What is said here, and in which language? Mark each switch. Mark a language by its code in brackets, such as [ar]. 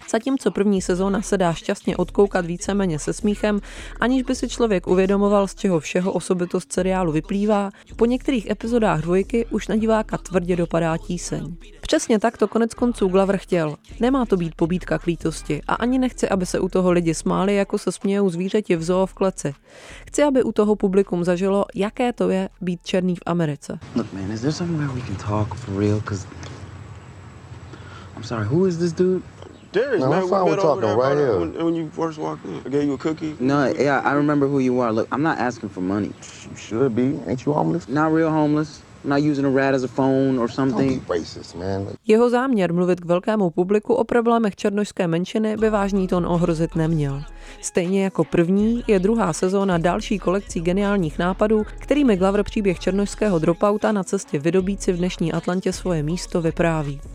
[cs] Zatímco první sezóna se dá šťastně odkoukat víceméně se smíchem, aniž by si člověk uvědomoval, z čeho všeho osobitost seriálu vyplývá, po některých epizodách dvojky už na diváka tvrdě dopadá tíseň. Přesně tak to konec konců Glover chtěl. Nemá to být pobídka k lítosti a ani nechci, aby se u toho lidi smáli, jako se smějou zvířeti v zoo v kleci. Chci, aby u toho publikum zažilo, jaké to je být černý v Americe. [en] Look, man, is there somewhere we can talk for real? Cause I'm sorry, who is this dude? Darius, no, man, we're talking there, right here. When you first walked in, I gave you a cookie. No, yeah, I remember who you are. Look, I'm not asking for money. You should be. Ain't you homeless? Not real homeless. Not using a rat as a phone or something. Don't be racist, man. [cs] Jeho záměr mluvit k velkému publiku o problémech černošské menšiny by vážný tón ohrozit neměl. Stejně jako první, je druhá sezóna další kolekcí geniálních nápadů, kterými Glover příběh černošského dropouta na cestě vydobít si v dnešní Atlantě svoje místo vypráví.